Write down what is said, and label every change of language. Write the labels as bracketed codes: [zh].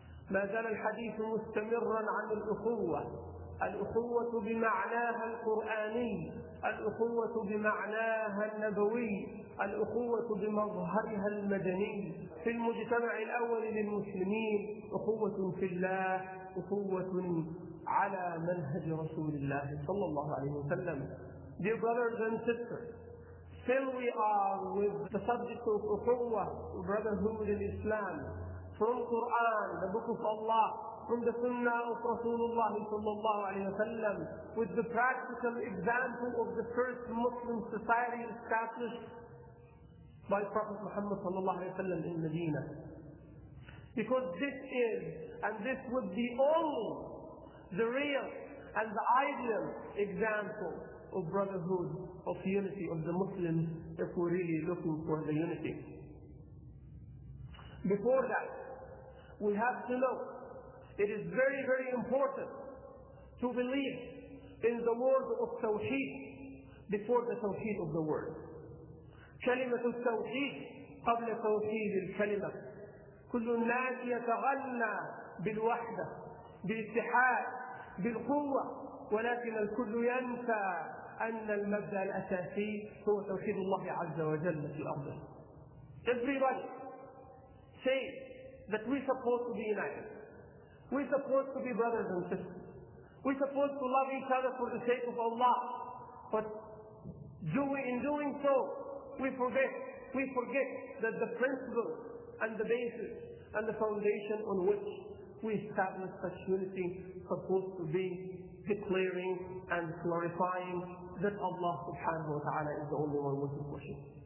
[ar] ما زال الحديث مستمرا عن الأخوة، الأخوة بمعناها القرآني، الأخوة بمعناها النبوي، الأخوة بمظهرها المدني في المجتمع الأول للمسلمين، أخوة في الله، أخوة على منهج رسول الله صلى الله عليه وسلم. [en] Dear brothers and sisters, still we are with the subject of أخوة, brotherhood in Islam, from Quran, the book of Allah, from the Sunnah of Rasulullah sallallahu alayhi wa sallam, with the practical example of the first Muslim society established by Prophet Muhammad sallallahu alayhi wa sallam in Medina. Because this is, and this would be only the real and the ideal example of brotherhood, of unity of the Muslims, if we're really looking for the unity. Before that, we have to know, it is very, very important to believe in the word of Tawheed before the Tawheed of the word. [ar] كلمة التوحيد قبل توحيد الكلمة. كل الناس يتغنى بالوحدة بالاتحاد بالقوة، ولكن الكل ينسى أن المبدأ الأساسي هو توحيد الله عز وجل في الأرض. [en] Everybody say that we're supposed to be united. We're supposed to be brothers and sisters. We're supposed to love each other for the sake of Allah. But do we, in doing so, we forget that the principle and the basis and the foundation on which we establish such unity supposed to be declaring and glorifying that Allah subhanahu wa ta'ala is the only one worthy of worship.